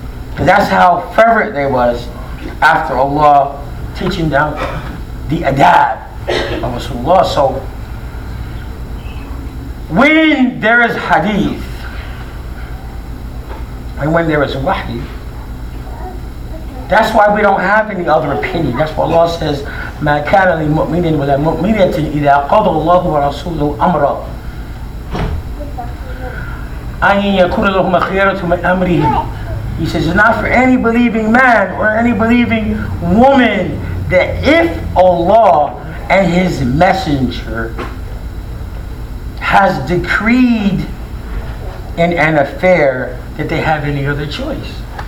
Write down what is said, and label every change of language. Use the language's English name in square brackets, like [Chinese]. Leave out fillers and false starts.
[English] Because that's how fervent they was after Allah teaching them the adab of Rasulullah. So when there is hadith, and when there is wahi, that's why we don't have any other opinion. That's why Allah says, [Arabic] مَا كَانَ لِمُؤْمِنٍ وَلَا مُؤْمِنَةٍ إِذَا قَضَ اللَّهُ وَرَسُولُهُ أَمْرًا أَنْ يَكُونَ لَهُمَ خِيَرَةٌ مِنْ أَمْرِهِمْ. [English] He says, it's not for any believing man or any believing woman that if Allah and His Messenger has decreed in an affair that they have any other choice.